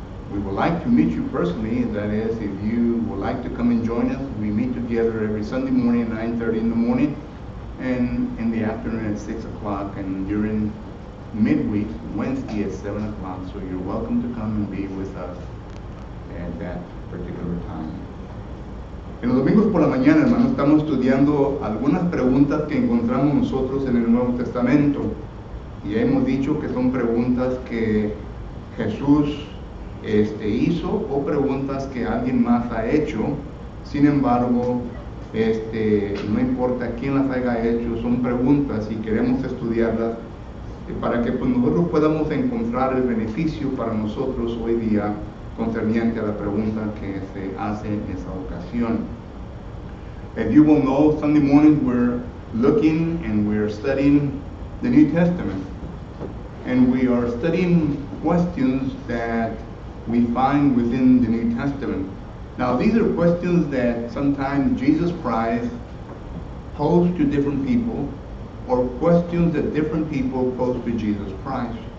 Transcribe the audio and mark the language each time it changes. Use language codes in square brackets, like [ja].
[en] We would like to meet you personally. That is, if you would like to come and join us, we meet together every Sunday morning at 9:30 in the morning and in the afternoon at 6 o'clock and during midweek, Wednesday at 7 o'clock. So you're welcome to come and be with us at that particular time. [es] En los domingos por la mañana, hermanos, estamos estudiando algunas preguntas que encontramos nosotros en el Nuevo Testamento. Y hemos dicho que son preguntas que Jesús hizo o preguntas que alguien más ha hecho. Sin embargo, no importa quién las haya hecho, son preguntas y queremos estudiarlas para que pues, nosotros podamos encontrar el beneficio para nosotros hoy día concerniente a la pregunta que se hace en esa ocasión. [en] As you will know, Sunday morning we're looking and we're studying the New Testament. And we are studying questions that we find within the New Testament. Now these are questions that sometimes Jesus Christ posed to different people, or questions that different people posed to Jesus Christ.